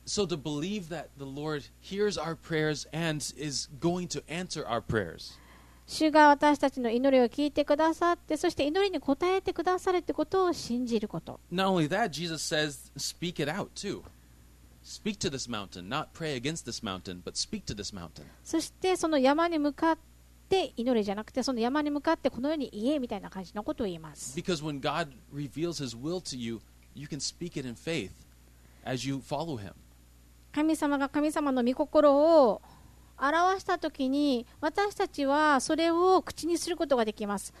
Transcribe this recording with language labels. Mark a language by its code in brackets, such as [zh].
[en] So to believe that the Lord hears our prayers and is going to answer our prayers. [ja] 主が私たちの祈りを聞いてくださって、そして祈りに応えてくださるということを信じること。 [en] Not only that, Jesus says, speak it out too. Speak to this mountain, not pray against this mountain, but speak to this mountain. [ja] そしてその山に向かってで祈りじゃなくてその山に向かってこのように言えみたいな感じのことを言います。 [en] Because when God reveals His will to you, you can speak it in faith as you follow Him. [ja] 神様が神様の御心を表したときに私たちはそれを口にすることができます。